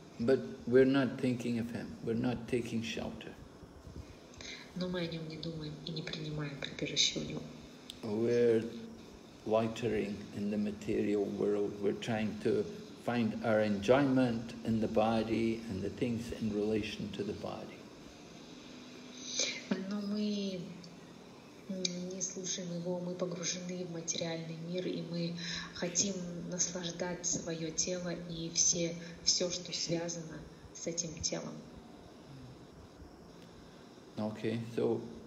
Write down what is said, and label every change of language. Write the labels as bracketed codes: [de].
[en] But we're not thinking of him. We're not taking shelter. [ru] Но мы о нем не думаем и не принимаем прибежище у него. [en] We're loitering in the material world. We're trying to find our enjoyment in the body and the things in relation to the body. [ru] Но мы не слушаем его. Мы погружены в материальный мир, и мы хотим наслаждать свое тело и все, что связано с этим телом. [en] Okay, so.